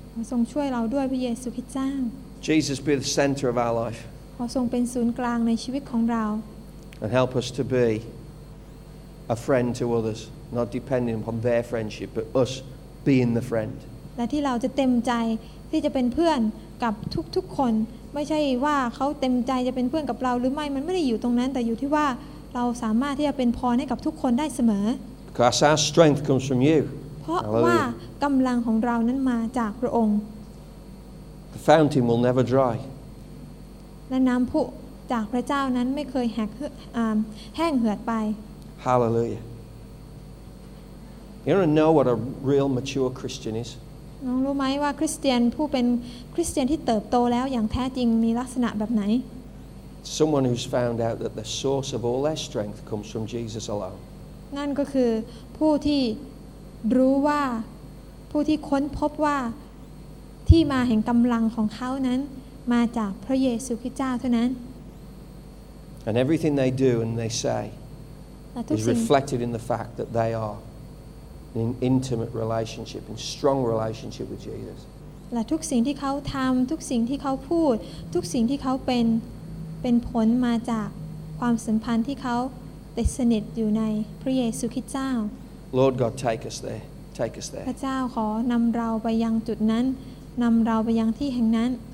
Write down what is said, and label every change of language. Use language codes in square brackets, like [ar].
[th] ทรงช่วยเราด้วยพระเยซูคริสต์เจ้า [en] Jesus be the center of our life [th] ขอทรงเป็นศูนย์กลางในชีวิตของเรา [en] And help us to be a friend to others not depending upon their friendship but us being the friend [th] และที่เราจะเต็มใจที่จะเป็นเพื่อนกับทุกๆคนไม่ใช่ว่าเขาเต็มใจจะเป็นเพื่อนกับเราหรือไม่มันไม่ได้อยู่ตรงนั้นแต่อยู่ที่ว่าเราสามารถที่จะเป็นพรให้กับทุกคนได้เสมอ [en] Because our strength comes from you [th] เพราะ [en] Hallelujah. [th] ว่ากำลังของเรานั้นมาจากพระองค์ [en] The fountain will never dry [th] และน้ำพุจากพระเจ้านั้นไม่เคยแห้งเหือดไป [en] Hallelujah You don't know what a real mature Christian is [th] น้องรู้ไหมว่าคริสเตียนผู้เป็นคริสเตียนที่เติบโตแล้วอย่างแท้จริงมีลักษณะแบบไหน [en] Someone who's found out that the source of all their strength comes from Jesus alone [th] นั่นก็คือผู้ที่รู้ว่าผู้ที่ค้นพบว่าที่มาแห่งกำลังของเขานั้นมาจากพระเยซูคริสต์เจ้าเท่านั้น [en] And everything they do and they say is reflected in the fact that they areIn intimate relationship, in strong relationship with Jesus. [th] และทุกสิ่งที่เขาทำ ทุกสิ่งที่เขาพูด ทุกสิ่งที่เขาเป็น เป็นผลมาจากความสัมพันธ์ที่เขาติดสนิทอยู่ในพระเยซูคริสต์เจ้า [en] Lord God, take us there. Take us there. [th] พระเจ้าขอนำเราไปยังจุดนั้น นำเราไปยังที่แห่งนั้น